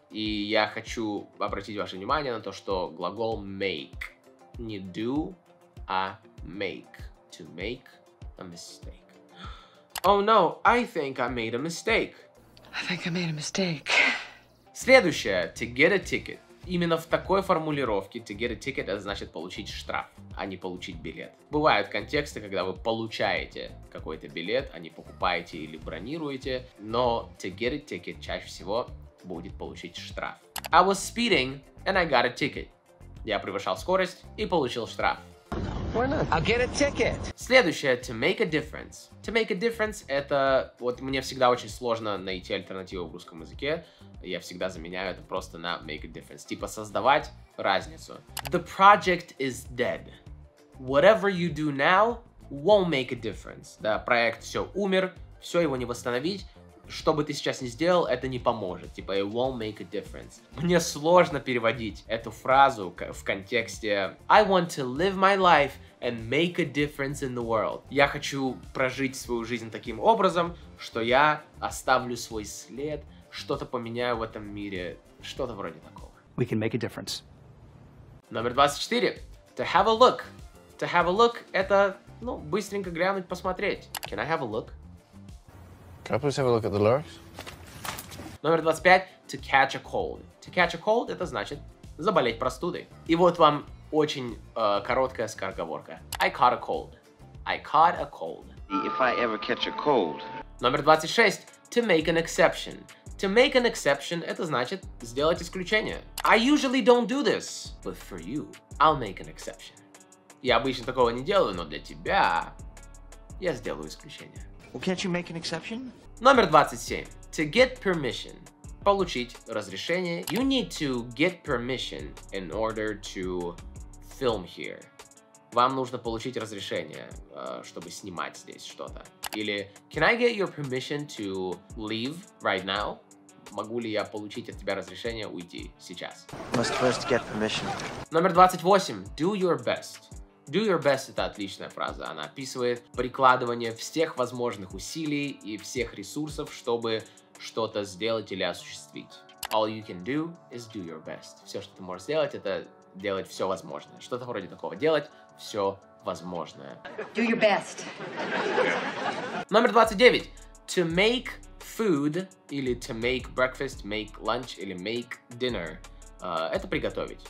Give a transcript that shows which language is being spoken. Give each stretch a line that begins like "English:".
Russian: И я хочу обратить ваше внимание на то, что глагол make не do, а make.
English: To make a mistake. Oh no, I think I made a mistake. I think I made a mistake.
Russian: Следующее,
English: to get a ticket.
Russian: Именно в такой формулировке
English: to get a ticket,
Russian: это значит получить штраф, а не получить билет. Бывают контексты, когда вы получаете какой-то билет, а не покупаете или бронируете, но
English: to get a ticket
Russian: чаще всего будет получить штраф.
English: I was speeding and I got a ticket.
Russian: Я превышал скорость и получил штраф.
English: Why not? I'll get a ticket.
Russian: Следующее,
English: to make a difference. To make a difference,
Russian: это вот мне всегда очень сложно найти альтернативу в русском языке. Я всегда заменяю это просто на
English: make a difference.
Russian: Типа создавать разницу.
English: The project is dead. Whatever you do now won't make a difference.
Russian: Да, проект все умер, все его не восстановить. Что бы ты сейчас ни сделал, это не поможет. Типа
English: it won't make a difference.
Russian: Мне сложно переводить эту фразу в контексте
English: I want to live my life and make a difference in the world.
Russian: Я хочу прожить свою жизнь таким образом, что я оставлю свой след, что-то поменяю в этом мире, что-то вроде такого.
English: We can make a difference.
Russian: Номер 24.
English: To have a look. To have a look —
Russian: это, ну, быстренько глянуть, посмотреть.
English: Can I have a look? Can I please have a look at the lyrics?
Russian: Номер 25.
English: To catch a cold. To catch a cold —
Russian: это значит заболеть простудой. И вот вам очень короткая скороговорка.
English: I caught a cold. I caught a cold. If I ever catch a cold.
Russian: Номер 26.
English: To make an exception. To make an exception,
Russian: это значит сделать исключение.
English: I usually don't do this, but for you, I'll make an exception.
Russian: Я обычно такого не делаю, но для тебя я сделаю исключение.
English: Well, can't you make an exception?
Russian: Номер 27.
English: To get permission.
Russian: Получить разрешение.
English: You need to get permission in order to film here.
Russian: Вам нужно получить разрешение, чтобы снимать здесь что-то. Или
English: can I get your permission to leave right now?
Russian: Могу ли я получить от тебя разрешение уйти сейчас?
English: Must first get permission.
Russian: Номер 28.
English: Do your best. Do your best —
Russian: это отличная фраза. Она описывает прикладывание всех возможных усилий и всех ресурсов, чтобы что-то сделать или осуществить.
English: All you can do is do your best.
Russian: Все, что ты можешь сделать, это делать все возможное. Что-то вроде такого. Делать все возможное.
English: Do your best.
Russian: Номер 29.
English: To make food, или to make breakfast, make lunch, или make dinner.
Russian: Это приготовить.